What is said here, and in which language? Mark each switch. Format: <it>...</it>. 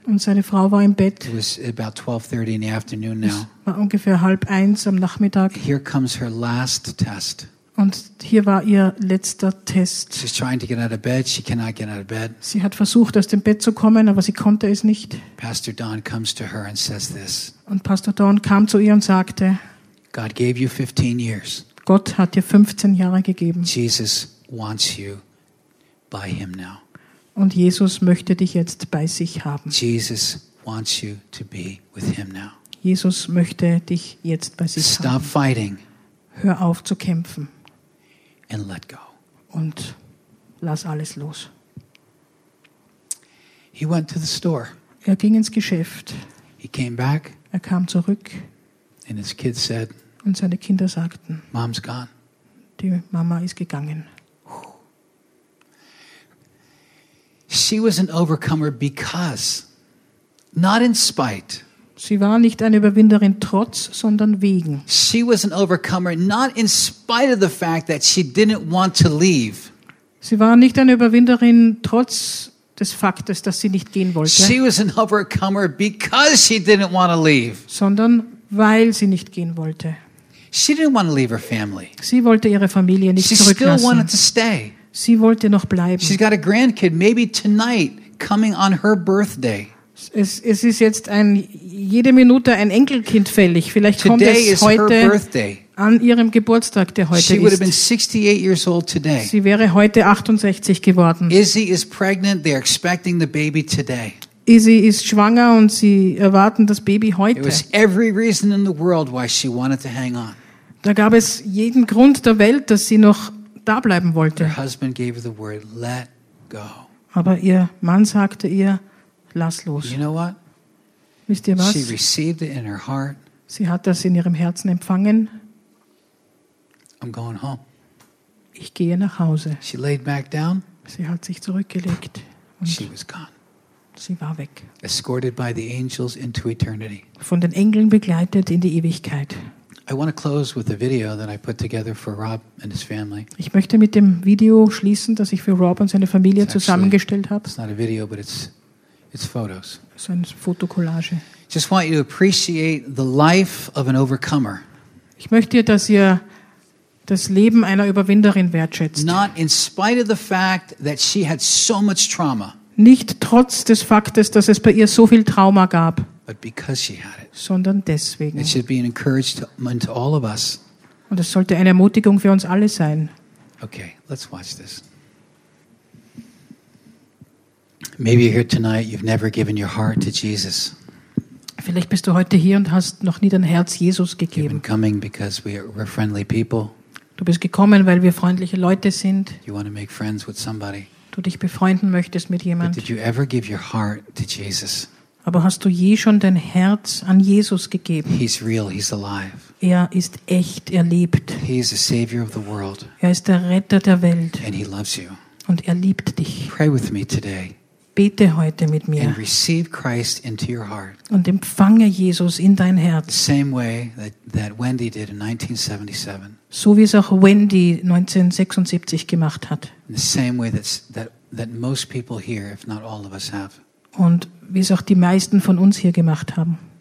<de>Und seine Frau war im Bett.</de> <en>It was about 12:30 in the afternoon now.</en> <de>Es war ungefähr 12:30 am Nachmittag.</de> <en>Here comes her last test.</en> <de>Und hier war ihr letzter Test.</de> <en>She's trying to get out of bed. She cannot get out of bed.</en> <de>Sie hat versucht, aus dem Bett zu kommen, aber sie konnte es nicht.</de> <en>Pastor Don comes to her and says this.</en> <de>Und Pastor Don kam zu ihr und sagte:</de> <en>God gave you 15 years.</en> <de>Gott hat dir 15 Jahre gegeben.</de> <en>Jesus wants you by him now.</en> <de>Und Jesus möchte dich jetzt bei sich haben.</de> <en>Jesus wants you to be with him now.</en> <de>Jesus möchte dich jetzt bei sich</de> <en>Stop</en> <de>haben.</de> <en>Fighting.</en> <de>Hör auf zu kämpfen.</de> <en>And let go.</en> <de>Und lass alles los.</de> <en>He went to the store.</en> <de>Er ging ins Geschäft.</de> <en>He came back.</en> <de>Er kam zurück.</de> <en>And his kids said,</en> <de>und seine Kinder sagten,</de> <en>Mom's gone.</en> <de>Die Mama ist gegangen.</de> <en>She was an overcomer because, not in spite.</en> <de>Sie war nicht eine Überwinderin trotz, sondern wegen.</de> <en>She was an overcomer not in spite of the fact that she didn't want to leave.</en> <de>Sie war nicht eine Überwinderin trotz des Faktes, dass sie nicht gehen wollte.</de> <en>She was an overcomer because she didn't want to leave.</en> <de>Sondern weil sie nicht gehen wollte.</de> <en>She didn't want to leave her family.</en> <de>Sie wollte ihre Familie nicht zurücklassen.</de> <en>She still wanted to stay.</en> <de>Sie wollte noch bleiben.</de> <en>She's got a grandkid, maybe tonight, coming on her birthday.</en> <de>Es ist jetzt jede Minute ein Enkelkind fällig. Vielleicht kommt</de> <en>today</en> <de>es heute</de> <en>her birthday.</en> <de>An ihrem Geburtstag, der heute</de> <en>she</en> <de>ist.</de> <en>Would have been 68 years old today.</en> <de>Sie wäre heute 68 geworden.</de> <en>Izzy is pregnant. They're expecting the baby today.</en> <de>Izzy ist schwanger und sie erwarten das Baby heute.</de> <en>It was every reason in the world why she wanted to hang on.</en> <de>Da gab es jeden Grund der Welt, dass sie noch da bleiben wollte.</de> <en>Her husband gave her the word, let go.</en> <de>Aber ihr Mann sagte ihr, lass los.</de> <en>You know what?</en> <de>Wisst ihr was?</de> <en>She received it in her heart.</en> <de>Sie hat das in ihrem Herzen empfangen.</de> <en>I'm going home.</en> <de>Ich gehe nach Hause.</de> <en>She laid back down.</en> <de>Sie hat sich zurückgelegt.</de> <en>Und she was gone.</en> <de>Sie war weg.</de> <en>Escorted by the angels into eternity.</en> <de>Von den Engeln begleitet in die Ewigkeit.</de> <en>I want to close with a video that I put together for Rob and his family.</en> <de>Ich möchte mit dem Video schließen, das ich für Rob und seine Familie zusammengestellt habe.</de> <en>It's not a video, but it's photos.</en> <de>So eine Fotokollage.</de> <en>Just want you to appreciate the life of an overcomer.</en> <de>Ich möchte, dass ihr das Leben einer Überwinderin wertschätzt.</de> <en>Not in spite of the fact that she had so much trauma.</en> <de>Nicht trotz des Faktes, dass es bei ihr so viel Trauma gab.</de> <en>But because she had it.</en> <de>Sondern deswegen.</de> <en>It should be an encouragement to all of us.</en> <de>Und es sollte eine Ermutigung für uns alle sein.</de> <en>Okay, let's watch this. Maybe you're here tonight, you've never given your heart to Jesus.</en> <de>Vielleicht bist du heute hier und hast noch nie dein Herz Jesus gegeben.</de> <en>You've been coming because we're friendly people.</en> <de>Du bist gekommen, weil wir freundliche Leute sind.</de> <en>You want to make friends with somebody.</en> <de>Du dich befreunden möchtest mit jemandem.</de> <en>But did you ever give your heart to Jesus?</en> <de>Aber hast du je schon dein Herz an Jesus gegeben?</de> <en>He's real, he's alive.</en> <de>Er ist echt, er lebt.</de> <en>He is the savior of the world.</en> <de>Er ist der Retter der Welt.</de> <en>And he loves you.</en> <de>Und er liebt dich.</de> <en>Pray with me today.</en> <de>Bete heute mit mir.</de> <en>And receive Christ into your heart.</en> <de>Und empfange Jesus in dein Herz.</de> <en>The same way that Wendy did in 1977.</en> <de>So wie es auch Wendy 1976 gemacht hat.</de> <en>In the same way that most people here, if not all of us, have.</en> <de>Und wie es auch die meisten von uns hier gemacht haben.</de>